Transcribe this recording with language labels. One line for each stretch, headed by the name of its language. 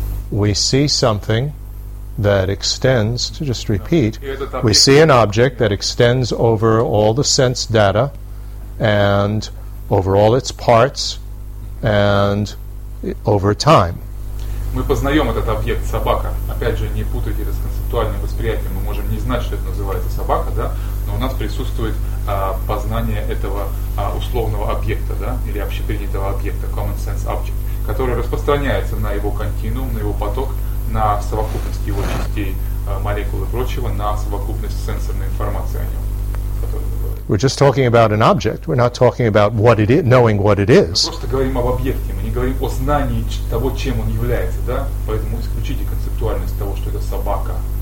English: We see something that extends, to just repeat, we see an object that extends over all the sense data and over all its parts and over time.
Russian: Мы познаем этот объект собака. Опять же, не путайте это с концептуальным восприятием. Мы можем не знать, что это называется собака, да? Но у нас присутствует познание этого условного объекта, да, или общепринятого объекта, common sense object, который распространяется на его континуум, на его поток, на совокупность его частей, молекул и прочего, на совокупность сенсорной информации о нем.
English: We're just talking about an object. We're not talking about what it is, knowing what it is.
Russian: Мы просто говорим об объекте. Мы не говорим о знании того, чем он является, да? Поэтому исключите концептуальность того, что это собака.